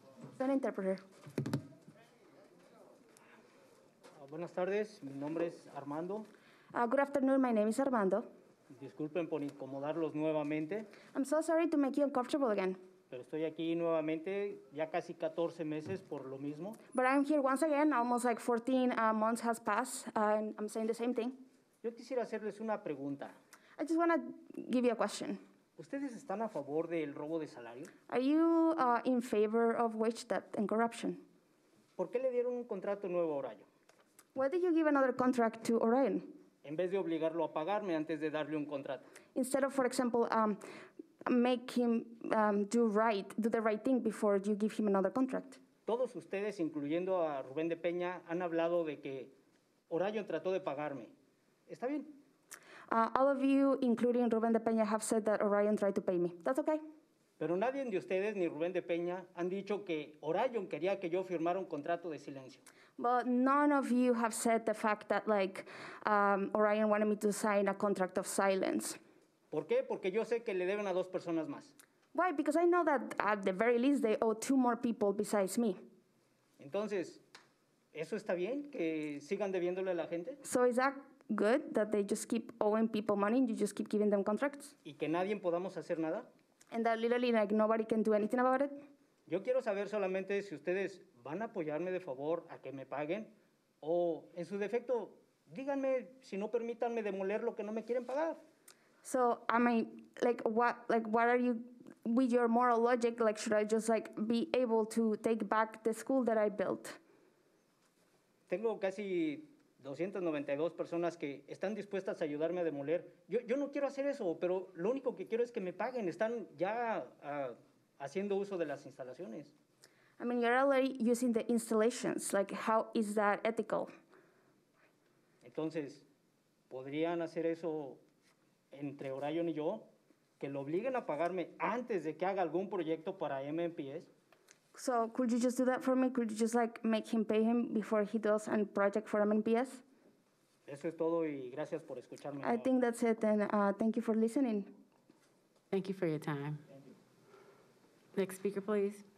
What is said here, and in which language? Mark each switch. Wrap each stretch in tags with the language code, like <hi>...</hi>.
<en>It's an interpreter.</en> <es>Buenas tardes. Mi nombre es Armando.</es> <en>Good afternoon. My name is Armando.</en> <es>Disculpen por incomodarlos nuevamente.</es> <en>I'm so sorry to make you uncomfortable again.</en> <es>Pero estoy aquí nuevamente ya casi 14 meses por lo mismo.</es> <en>But I'm here once again. Almost like 14 months has passed, and I'm saying the same thing.</en> <es>Yo quisiera hacerles una pregunta.</es> <en>I just want to give you a question.</en> <es>¿Ustedes están a favor del robo de salario?</es> <en>Are you in favor of wage theft and corruption?</en> <es>¿Por qué le dieron un contrato nuevo a Orion?</es> <en>Why did you give another contract to Orion?</en> <es>En vez de obligarlo a pagarme antes de darle un contrato.</es> <en>Instead of, for example, make him do the right thing before you give him another contract.</en> <es>Todos ustedes, incluyendo a Rubén de Peña, han hablado de que Orion trató de pagarme. ¿Está bien?</es> <en>All of you, including Rubén de Peña, have said that Orion tried to pay me. That's okay.</en> <es>Pero nadie de ustedes, ni Rubén de Peña, han dicho que Orion quería que yo firmara un contrato de silencio.</es> <en>But none of you have said the fact that, like, Orion wanted me to sign a contract of silence.</en> <es>¿Por qué? Porque yo sé que le deben a dos personas más.</es> <en>Why? Because I know that, at the very least, they owe two more people besides me.</en> <es>Entonces, ¿eso está bien? ¿Que sigan debiéndole a la gente?</es> <en>So is that good that they just keep owing people money and you just keep giving them contracts?</en> <es>¿Y que nadie podamos hacer nada?</es> <en>And that literally, like, nobody can do anything about it?</en> <es>Yo quiero saber solamente si ustedes van a apoyarme de favor a que me paguen o, en su defecto, díganme si no permítanme demoler lo que no me quieren pagar.</es> <en>So, I mean, what are you, with your moral logic, like, should I just, like, be able to take back the school that I built?</en> <es>Tengo casi 292 personas que están dispuestas a ayudarme a demoler. Yo no quiero hacer eso, pero lo único que quiero es que me paguen. Están ya haciendo uso de las instalaciones.</es> <en>I mean, you're already using the installations. Like, how is that ethical?</en> <es>Entonces, ¿podrían hacer eso entre Orion y yo? ¿Que lo obliguen a pagarme antes de que haga algún proyecto para MNPS?</es> <en>So, could you just do that for me? Could you just, like, make him pay him before he does a project for MNPS?</en> <es>Eso es todo y gracias por escucharme.</es> <en>I think that's it, and thank you for listening. Thank you for your time. Next speaker, please.</en>